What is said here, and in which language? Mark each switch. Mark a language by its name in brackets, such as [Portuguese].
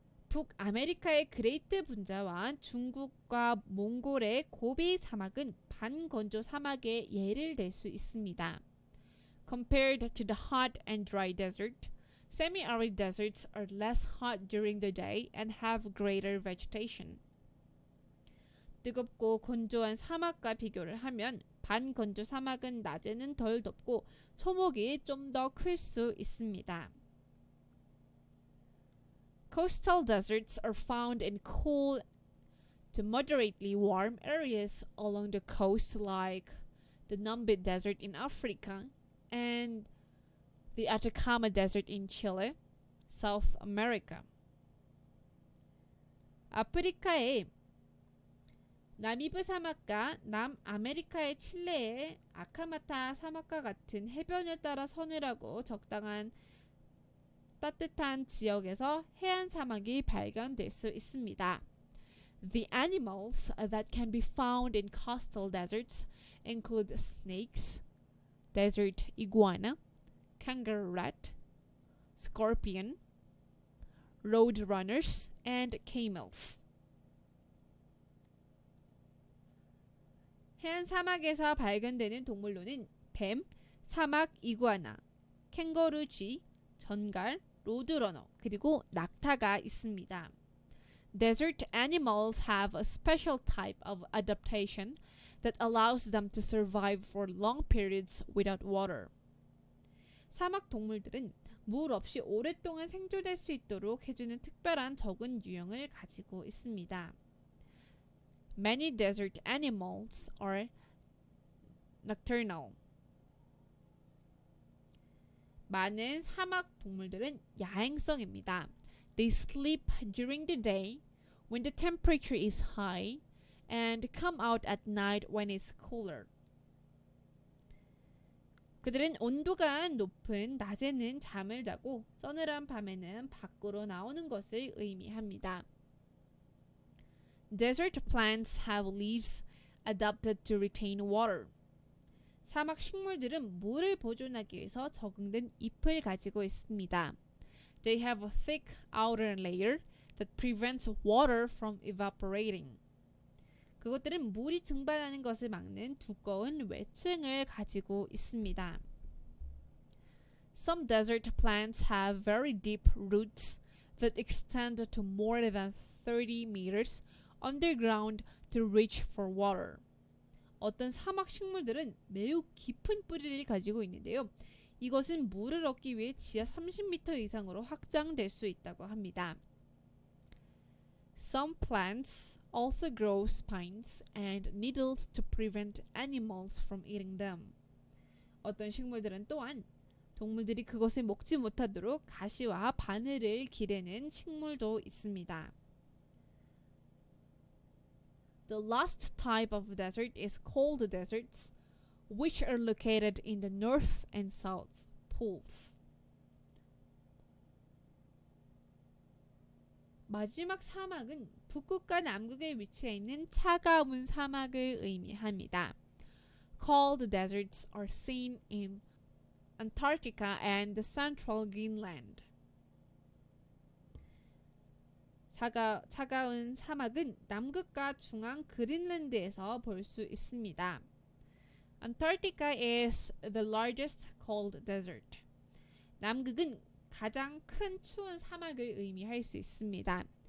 [Korean] 북아메리카의 그레이트 분자와 중국과 몽골의 고비 사막은 반건조 사막의 예를 들 수 있습니다. [English] Compared to the hot and dry desert, semi-arid deserts are less hot during the day and have greater vegetation. [Korean] 뜨겁고 건조한 사막과 비교를 하면 반건조 사막은 낮에는 덜 덥고 소목이 좀 더 클 수 있습니다. [English] Coastal deserts are found in cool to moderately warm areas along the coast like the Namib Desert in Africa and the Atacama Desert in Chile, South America. [Korean] 아프리카의 나미브 사막과 남아메리카의 칠레의 아카마타 사막과 같은 해변을 따라 서늘하고 적당한 따뜻한 지역에서 해안 사막이 발견될 수 있습니다. [English] The animals that can be found in coastal deserts include snakes, desert iguana, kangaroo rat, scorpion, road runners, and camels. [Korean] 해안 사막에서 발견되는 동물로는 뱀, 사막 이구아나, 캥거루 쥐, 전갈, 로드러너, 그리고 낙타가 있습니다. [English] Desert animals have a special type of adaptation that allows them to survive for long periods without water. [Korean] 사막 동물들은 물 없이 오랫동안 생존할 수 있도록 해주는 특별한 적은 유형을 가지고 있습니다. [English] Many desert animals are nocturnal. [Korean] 많은 사막 동물들은 야행성입니다. [English] They sleep during the day when the temperature is high and come out at night when it's cooler. [Korean] 그들은 온도가 높은 낮에는 잠을 자고 서늘한 밤에는 밖으로 나오는 것을 의미합니다. [English] Desert plants have leaves adapted to retain water. [Korean] 사막 식물들은 물을 보존하기 위해서 적응된 잎을 가지고 있습니다. [English] They have a thick outer layer that prevents water from evaporating. [Korean] 그것들은 물이 증발하는 것을 막는 두꺼운 외층을 가지고 있습니다. [English] Some desert plants have very deep roots that extend to more than 30 meters underground to reach for water. [Korean] 어떤 사막 식물들은 매우 깊은 뿌리를 가지고 있는데요. 이것은 물을 얻기 위해 지하 30m 이상으로 확장될 수 있다고 합니다. [English] Some plants also grow spines and needles to prevent animals from eating them. [Korean] 어떤 식물들은 또한 동물들이 그것을 먹지 못하도록 가시와 바늘을 기르는 식물도 있습니다. [English] The last type of desert is cold deserts, which are located in the north and south poles. [Korean] 마지막 사막은 북극과 남극에 위치해 있는 차가운 사막을 의미합니다. [English] Cold deserts are seen in Antarctica and the central Greenland. [Korean] 차가운 사막은 남극과 중앙 그린란드에서 볼 수 있습니다. [English] Antarctica is the largest cold desert. [Korean] 남극은 가장 큰 추운 사막을 의미할 수 있습니다.